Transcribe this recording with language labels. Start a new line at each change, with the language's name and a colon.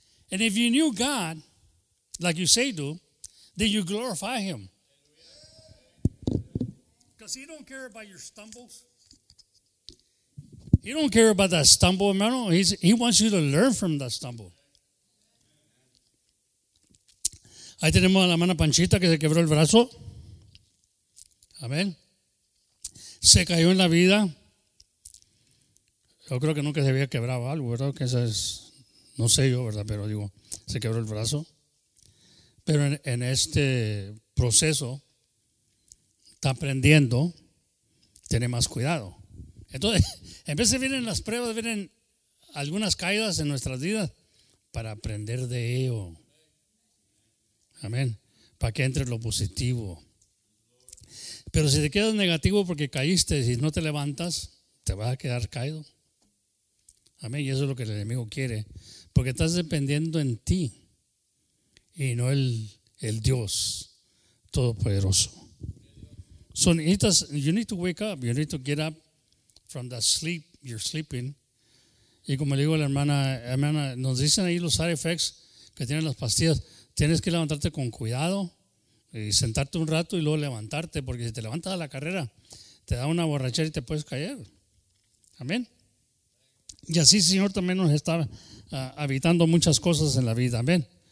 English: And if you knew God, like you say do, then you glorify him. Because he don't care about your stumbles. He don't care about that stumble, man. He wants you to learn from that stumble.
Spanish: Ahí tenemos a la hermana Panchita que se quebró el brazo. Amén. Se cayó en la vida. Yo creo que nunca se había quebrado algo, ¿verdad? Que esa es, no sé yo, ¿verdad? Pero digo, se quebró el brazo. Pero en este proceso está aprendiendo, tiene más cuidado. Entonces, en vez de vienen las pruebas, vienen algunas caídas en nuestras vidas para aprender de ello. Amén. Para que entre lo positivo. Pero si te quedas negativo porque caíste y no te levantas, te vas a quedar caído. Amén. Y eso es lo que el enemigo quiere. Porque estás dependiendo en ti y no el Dios Todopoderoso.
English: So you need to wake up. You need to get up from that sleep you're sleeping.
Spanish: Y como le digo a la hermana, nos dicen ahí los side effects que tienen las pastillas. Tienes que levantarte con cuidado y sentarte un rato y luego levantarte, porque si te levantas a la carrera, te da una borrachera y te puedes caer. Amén. Y así el Señor también nos está habitando muchas cosas en la vida. Amén.